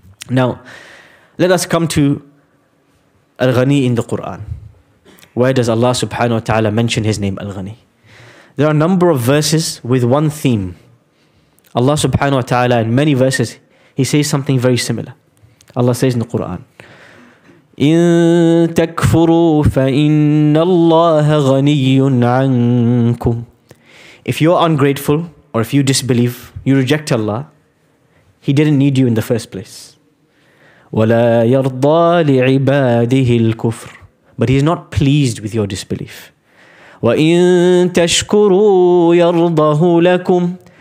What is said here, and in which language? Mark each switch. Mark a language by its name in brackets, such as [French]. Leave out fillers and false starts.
[English] Now, let us come to Al-Ghani in the Quran. Where does Allah subhanahu wa ta'ala mention His name Al-Ghani? There are a number of verses with one theme. Allah subhanahu wa ta'ala, in many verses, He says something very similar. Allah says in the Quran, [Arabic] إِن تَكْفُرُوا فَإِنَّ اللَّهَ غَنِيٌّ عَنْكُمْ. [English] If you're ungrateful, or if you disbelieve, you reject Allah, He didn't need you in the first place. [Arabic] وَلَا يَرْضَى لِعِبَادِهِ الْكُفْرِ. [English] But He is not pleased with your disbelief. [Arabic] وَإِن تَشْكُرُوا يَرْضَهُ لَكُمْ.